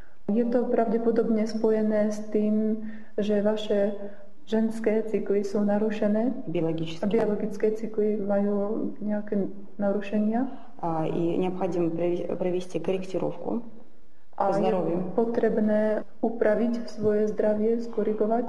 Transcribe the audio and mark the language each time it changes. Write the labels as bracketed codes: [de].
[sk] Je to pravdepodobne spojené s tým, že vaše ženské cykly sú narušené. Biologické. Biologické cykly majú nejaké narušenia. [ru] И необходимо провести корректировку. [sk] A je potrebné upraviť svoje zdravie, skorigovať.